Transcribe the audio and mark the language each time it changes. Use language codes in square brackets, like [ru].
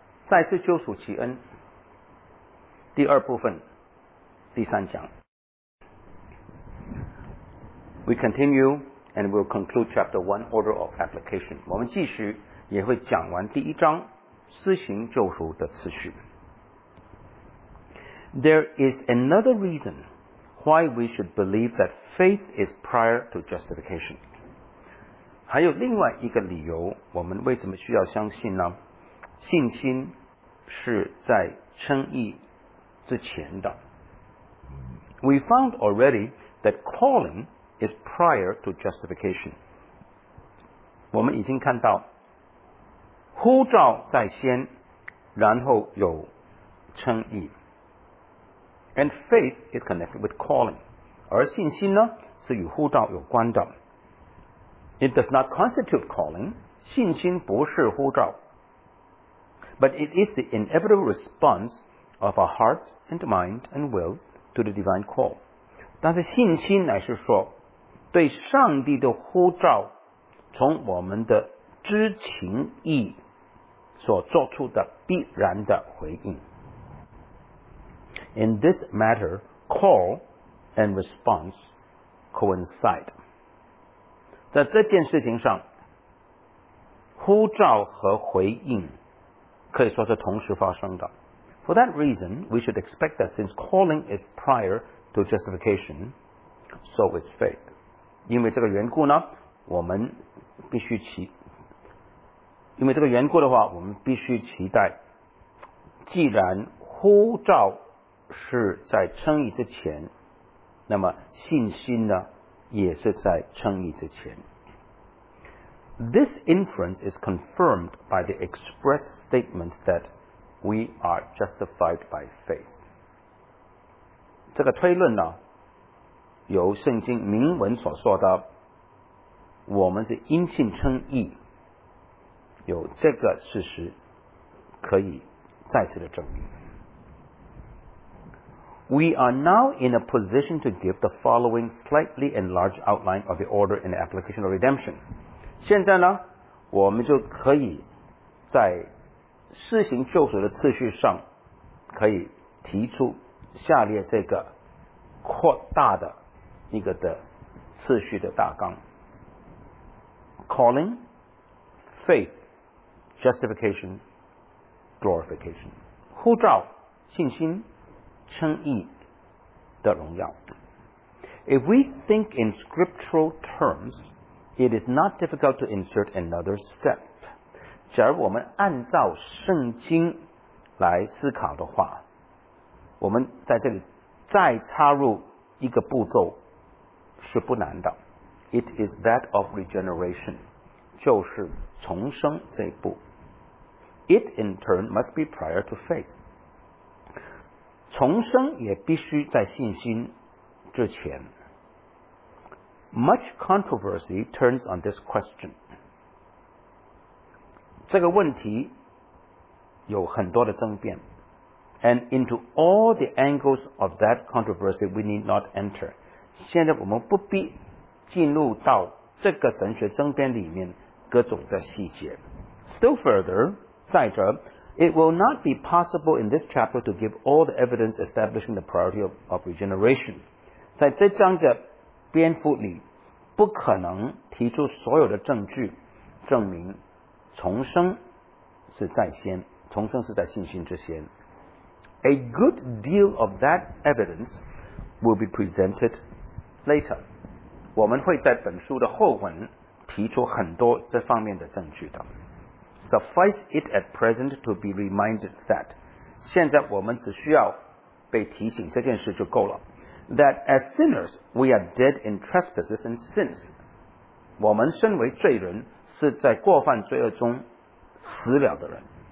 [zh] 再次救赎其恩，第二部分，第三讲。 [en] We continue and we'll conclude Chapter 1, Order of Application. [zh] 我们继续，也会讲完第一章，施行救赎的次序。 [en] There is another reason why we should believe that faith is prior to justification. [zh] 还有另外一个理由，我们为什么需要相信呢？信心是在称义之前的。 [en] We found already that calling is prior to justification. [zh] 我们已经看到，呼召在先，然后有称义。 [en] And faith is connected with calling. [zh] 而信心呢，是与呼召有关的。 [en] It does not constitute calling. [zh] 信心不是呼召。 [en] But it is the inevitable response of our heart and mind and will to the divine call. [zh] 但是信心乃是说，对上帝的呼召，从我们的知情意所做出的必然的回应。 [en] In this matter, call and response coincide. [zh] 在这件事情上，呼召和回应可以说是同时发生的。 [en] For that reason, we should expect that since calling is prior to justification, so is faith. [zh] 因为这个缘故呢，我们必须期，因为这个缘故的话，我们必须期待，既然呼召是在称义之前，那么信心呢也是在称义之前。 [en] This inference is confirmed by the express statement that we are justified by faith. [zh] 这个推论呢，由圣经明文所说的我们是因信称义，有这个事实可以再次的证明。 [en] We are now in a position to give the following slightly enlarged outline of the order in the application of redemption. [zh] 现在呢，我们就可以在施行救赎的次序上，可以提出下列这个扩大的一个的次序的大纲 ： [en] calling, faith, justification, glorification. [zh] 呼召，信心。称义的荣耀。 [en] If we think in scriptural terms, it is not difficult to insert another step. [zh] 假如我们按照圣经来思考的话，我们在这里再插入一个步骤是不难的。 [en] It is that of regeneration, [zh] 就是重生这一步。 [en] It in turn must be prior to faith. [zh] 重生也必须在信心之前。 [en] Much controversy turns on this question. [zh] 这个问题有很多的争辩。 [en] And into all the angles of that controversy we need not enter. [zh] 现在我们不必进入到这个神学争辩里面各种的细节。 [en] Still further, [zh] 再者， [en] It will not be possible in this chapter to give all the evidence establishing the priority of regeneration. [zh] 在这章的篇幅里，不可能提出所有的证据证明重生是在先，重生是在信心之先。 [en] A good deal of that evidence will be presented later. [zh] 我们会在本书的后文提出很多这方面的证据的。 [en] Suffice it at present to be reminded that [zh] 现在我们只需要被提醒这件事就够了 [en] that as sinners we are dead in trespasses and sins [zh] 我们身为罪人是在过犯罪恶中死了的人